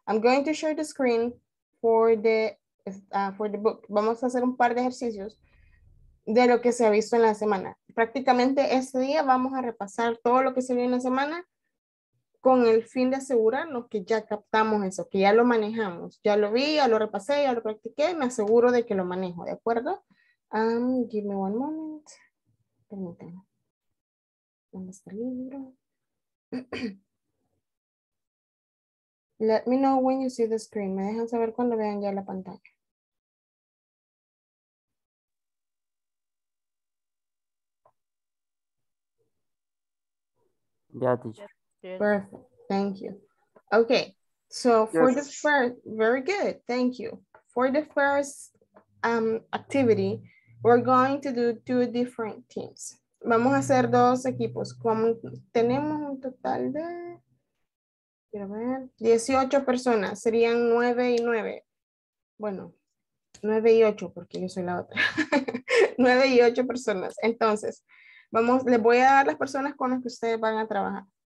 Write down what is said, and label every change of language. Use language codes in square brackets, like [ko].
[en] I'm going to share the screen for the book. [es] Vamos a hacer un par de ejercicios de lo que se ha visto en la semana. Prácticamente este día vamos a repasar todo lo que se vio en la semana con el fin de asegurarnos que ya captamos eso, que ya lo manejamos. Ya lo vi, ya lo repasé, ya lo practiqué, me aseguro de que lo manejo, ¿de acuerdo? [en] Give me one moment. [es] Permítanme. ¿Dónde está el libro? [en] Let me know when you see the screen. [es] Me dejan saber cuando vean ya la pantalla. [en] Yeah, teacher. Perfect. Thank you. Okay. So for the first, very good. Thank you. For the first activity, we're going to do two different teams. [es] Vamos a hacer dos equipos. Como tenemos un total de 18 personas, serían 9 y 9. Bueno, 9 y 8, porque yo soy la otra. 9 y 8 personas. Entonces, vamos, les voy a dar las personas con las que ustedes van a trabajar.